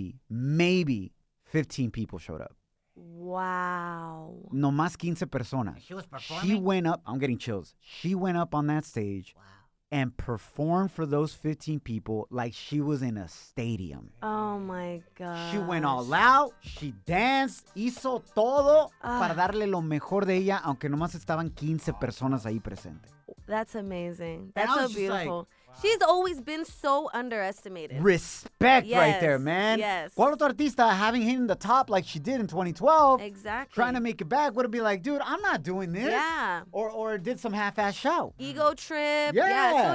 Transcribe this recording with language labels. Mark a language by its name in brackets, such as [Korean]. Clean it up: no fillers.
[English] Maybe 15 people showed up. Wow. [Spanish] No más 15 personas. [English] She was performing? She went up. I'm getting chills. She went up on that stage. Wow. And perform for those 15 people like she was in a stadium. Oh, my God! She went all out. She danced. [Spanish] Hizo todo para darle lo mejor de ella, aunque nomás estaban 15 personas ahí presentes. [English] That's amazing. That's so beautiful. Like, wow. She's always been so underestimated. Respect yes. right there, man. Yes. [Spanish] ¿Cuál otro artista [English] having hit in the top like she did in 2012? Exactly. Trying to make it back would it be like, dude, I'm not doing this. Yeah. Or did some half-ass show. Ego trip. Yeah.